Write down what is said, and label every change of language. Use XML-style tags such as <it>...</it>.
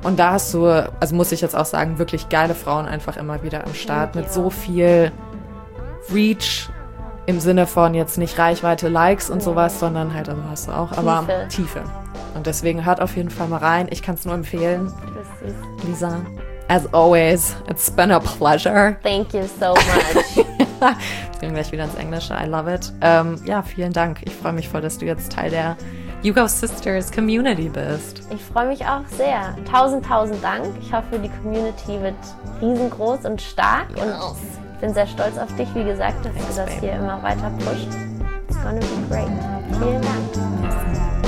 <de>Und da hast du, also muss ich jetzt auch sagen, wirklich geile Frauen einfach immer wieder am Start mit so viel Reach im Sinne von jetzt nicht Reichweite, Likes und sowas, sondern halt, also hast du auch, Tiefe. Aber Tiefe. Und deswegen hört auf jeden Fall mal rein. Ich kann es nur empfehlen.</de> <en>Lisa, as always, it's been a pleasure. Thank you so much.</en> <de>Jetzt gehen wir gleich wieder ins Englische.</de> <en>I love it.</en> <de>Ja, vielen Dank. Ich freue mich voll, dass du jetzt Teil der Yugo Sisters Community bist. Ich freue mich auch sehr. Tausend Dank. Ich hoffe, die Community wird riesengroß und stark. Yes. Und ich bin sehr stolz auf dich, wie gesagt, dass du das hier immer weiter pusht.</de> <en>It's gonna be great.</en> <de>Vielen Dank.</de>